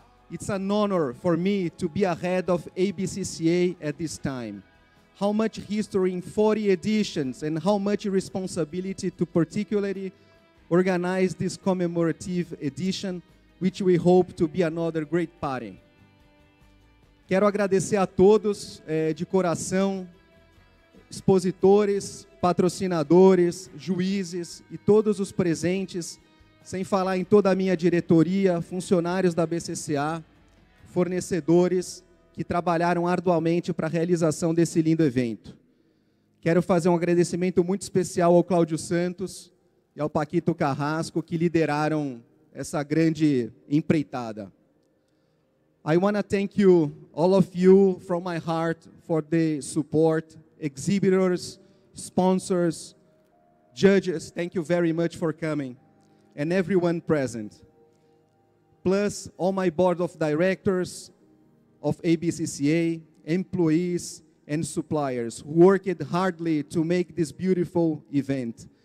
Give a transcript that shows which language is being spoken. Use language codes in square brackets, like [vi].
[en] It's an honor for me to be ahead of ABCCA at this time. How much history in 40 editions and how much responsibility to particularly organize this commemorative edition, which we hope to be another great party. [pt] Quero agradecer a todos, de coração, expositores, patrocinadores, juízes e todos os presentes, sem falar em toda a minha diretoria, funcionários da BCCA, fornecedores, que trabalharam arduamente para a realização desse lindo evento. Quero fazer um agradecimento muito especial ao Cláudio Santos e ao Paquito Carrasco, que lideraram essa grande empreitada. [en] I want to thank you, all of you, from my heart, for the support, exhibitors, sponsors, judges, thank you very much for coming, and everyone present. Plus, all my board of directors of ABCCA, employees, and suppliers who worked hardly to make this beautiful event.